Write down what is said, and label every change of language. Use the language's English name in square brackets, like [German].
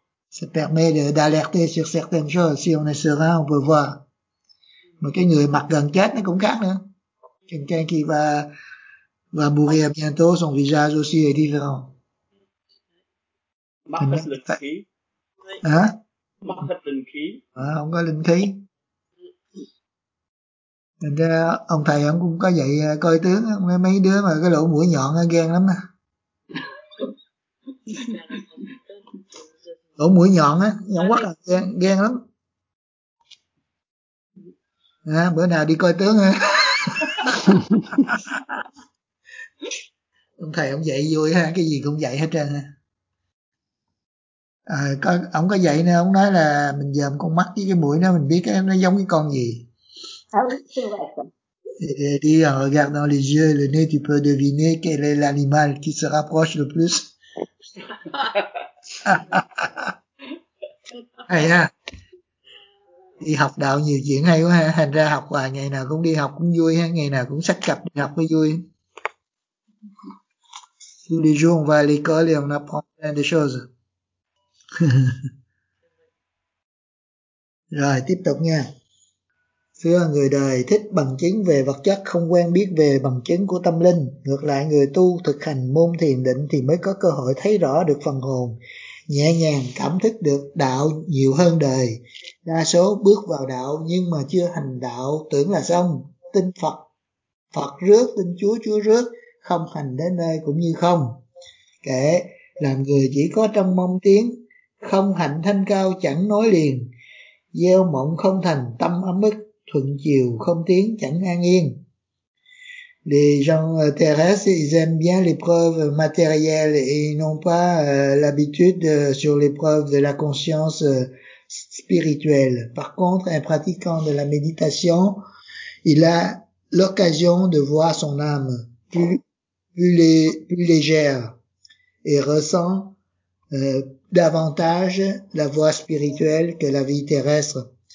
[French] Ça permet d'alerter sur certaines choses. Si on est serein, on peut voir. [Vietnamese] Mà cái người mặt gần chết nó cũng khác nữa. [French] Quelqu'un qui va mourir bientôt, son visage aussi est différent. [Vietnamese] Mắt hết linh khí. Hả? Mắt hết linh khí. À, không có linh khí. Thành ra ông thầy ông cũng có dạy coi tướng, mấy đứa mà cái lỗ mũi nhọn ghen lắm á. Lỗ mũi nhọn á, nhọn quá là ghen lắm. À, bữa nào đi coi tướng ha. Ông thầy ông dạy vui ha, cái gì cũng dạy hết trơn ha. À, ông có dạy nè, ông nói là mình dòm con mắt với cái mũi nó mình biết nó giống cái con gì. [French] Thì en regardant les yeux et le nez, tu peux deviner quel est l'animal qui se rapproche le plus. [Vietnamese] Hay ha. Đi học đạo nhiều chuyện hay quá ha, thành ra học hoài, ngày nào cũng đi học cũng vui ha, ngày nào cũng sách cặp đi học mới vui. [French] Tous les jours on va à l'école et on apprend plein de choses. [Vietnamese] Rồi tiếp tục nha. Thưa người đời thích bằng chứng về vật chất, không quen biết về bằng chứng của tâm linh. Ngược lại, người tu thực hành môn thiền định thì mới có cơ hội thấy rõ được phần hồn, nhẹ nhàng cảm thức được đạo nhiều hơn đời. Đa số bước vào đạo nhưng mà chưa hành đạo, tưởng là xong, tin Phật, Phật rước, tin Chúa, Chúa rước, không hành đến nơi cũng như không. Kể làm người chỉ có trong mong tiếng, không hạnh thanh cao chẳng nói liền, gieo mộng không thành tâm ấm ức, thuận chiều không tiếng chẳng an yên. [French] Les gens terrestres, ils aiment bien l'épreuve matérielle et ils n'ont pas l'habitude sur l'épreuve de la conscience spirituelle. Par contre, un pratiquant de la méditation, il a l'occasion de voir son âme plus légère et ressent davantage la voie spirituelle que la vie terrestre.